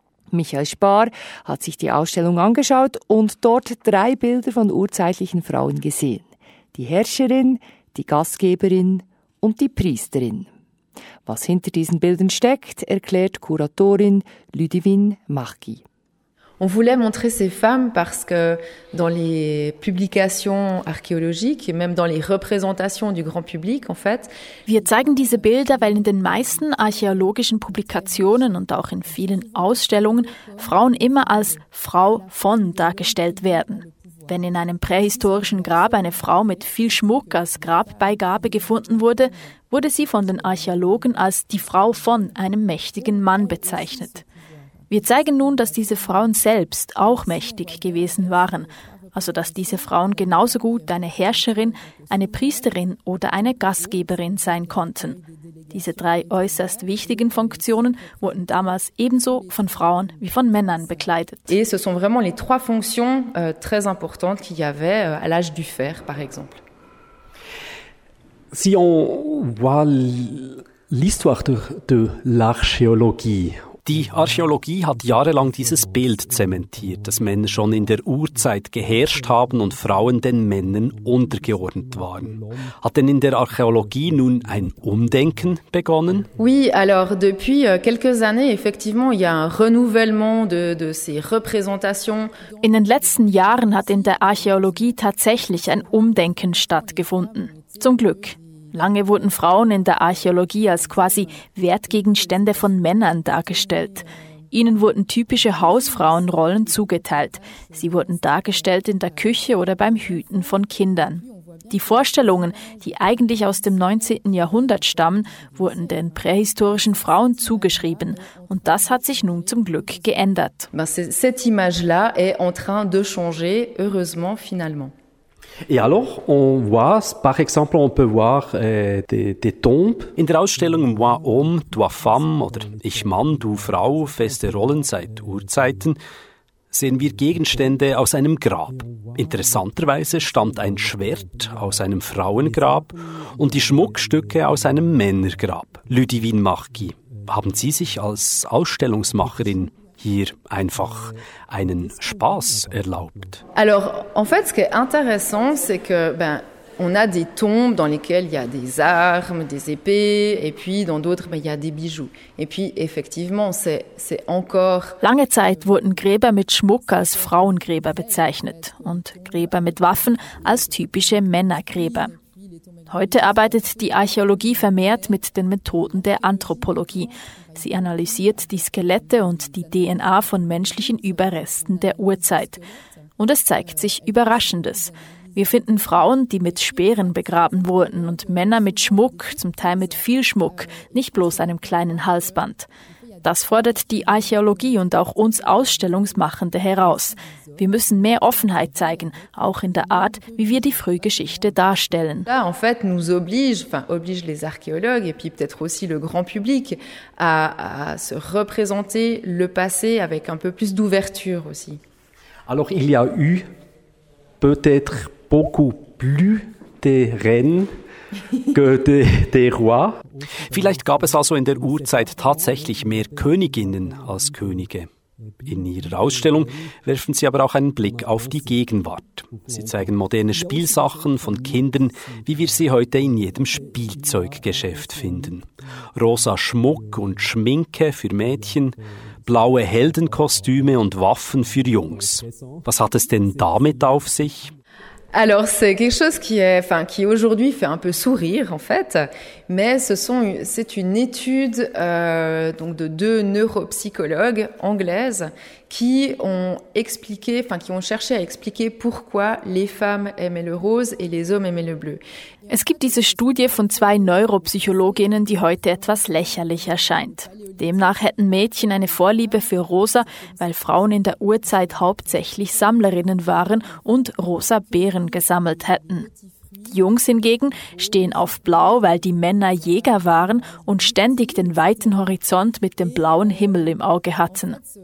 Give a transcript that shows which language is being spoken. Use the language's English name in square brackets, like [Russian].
[German] Michael Spahr hat sich die Ausstellung angeschaut und dort drei Bilder von urzeitlichen Frauen gesehen. Die Herrscherin, die Gastgeberin und die Priesterin. Was hinter diesen Bildern steckt, erklärt Kuratorin Ludivine Marchi. [French] On voulait montrer ces femmes parce que dans les publications archéologiques et même dans les représentations du grand public, en fait. [German] Wir zeigen diese Bilder, weil in den meisten archäologischen Publikationen und auch in vielen Ausstellungen Frauen immer als Frau von dargestellt werden. Wenn in einem prähistorischen Grab eine Frau mit viel Schmuck als Grabbeigabe gefunden wurde, wurde sie von den Archäologen als die Frau von einem mächtigen Mann bezeichnet. Wir zeigen nun, dass diese Frauen selbst auch mächtig gewesen waren, also dass diese Frauen genauso gut eine Herrscherin, eine Priesterin oder eine Gastgeberin sein konnten. Diese drei äußerst wichtigen Funktionen wurden damals ebenso von Frauen wie von Männern bekleidet. [French] Et ce sont vraiment les trois fonctions très importantes qu'il y avait à l'âge du fer, par exemple. Si on voit l'histoire de l'archéologie. [German] Die Archäologie hat jahrelang dieses Bild zementiert, dass Männer schon in der Urzeit geherrscht haben und Frauen den Männern untergeordnet waren. Hat denn in der Archäologie nun ein Umdenken begonnen? [French] Oui, alors depuis quelques années, effectivement, il y a un renouvellement de ces représentations. [German] In den letzten Jahren hat in der Archäologie tatsächlich ein Umdenken stattgefunden. Zum Glück. Lange wurden Frauen in der Archäologie als quasi Wertgegenstände von Männern dargestellt. Ihnen wurden typische Hausfrauenrollen zugeteilt. Sie wurden dargestellt in der Küche oder beim Hüten von Kindern. Die Vorstellungen, die eigentlich aus dem 19. Jahrhundert stammen, wurden den prähistorischen Frauen zugeschrieben. Und das hat sich nun zum Glück geändert. [French] Cette image-là est en train de changer, heureusement, finalement. Et alors, on voit, par exemple, on peut voir des tombes. [German] In der Ausstellung Moi, Homme, Toi, Femme oder Ich, Mann, Du, Frau, feste Rollen seit Urzeiten, sehen wir Gegenstände aus einem Grab. Interessanterweise stammt ein Schwert aus einem Frauengrab und die Schmuckstücke aus einem Männergrab. Ludivine Marquis, haben Sie sich als Ausstellungsmacherin hier einfach einen Spaß erlaubt? [French] Alors, en fait, ce qui est intéressant, c'est que, ben, on a des tombes dans lesquelles il y a des armes, des épées, et puis dans d'autres, ben, il y a des bijoux. Et puis, effectivement, c'est encore. [German] Lange Zeit wurden Gräber mit Schmuck als Frauengräber bezeichnet und Gräber mit Waffen als typische Männergräber. Heute arbeitet die Archäologie vermehrt mit den Methoden der Anthropologie. Sie analysiert die Skelette und die DNA von menschlichen Überresten der Urzeit. Und es zeigt sich Überraschendes. Wir finden Frauen, die mit Speeren begraben wurden, und Männer mit Schmuck, zum Teil mit viel Schmuck, nicht bloß einem kleinen Halsband. Das fordert die Archäologie und auch uns Ausstellungsmachende heraus. Wir müssen mehr Offenheit zeigen, auch in der Art, wie wir die Frühgeschichte darstellen. [French] Ça, en fait, nous oblige, enfin, oblige les archéologues et puis peut-être aussi le grand public à se représenter le passé avec un peu plus d'ouverture aussi. Alors, il y a eu peut-être beaucoup plus de reines. [German] Vielleicht gab es also in der Urzeit tatsächlich mehr Königinnen als Könige. In ihrer Ausstellung werfen sie aber auch einen Blick auf die Gegenwart. Sie zeigen moderne Spielsachen von Kindern, wie wir sie heute in jedem Spielzeuggeschäft finden. Rosa Schmuck und Schminke für Mädchen, blaue Heldenkostüme und Waffen für Jungs. Was hat es denn damit auf sich? [French] Alors c'est quelque chose qui aujourd'hui fait un peu sourire en fait, mais c'est une étude donc de deux neuropsychologues anglaises qui ont cherché à expliquer pourquoi les femmes aimaient le rose et les hommes aimaient le bleu. [German] Es gibt diese Studie von zwei Neuropsychologinnen, die heute etwas lächerlich erscheint. Demnach hätten Mädchen eine Vorliebe für Rosa, weil Frauen in der Urzeit hauptsächlich Sammlerinnen waren und rosa Beeren gesammelt hätten. Die Jungs hingegen stehen auf Blau, weil die Männer Jäger waren und ständig den weiten Horizont mit dem blauen Himmel im Auge hatten.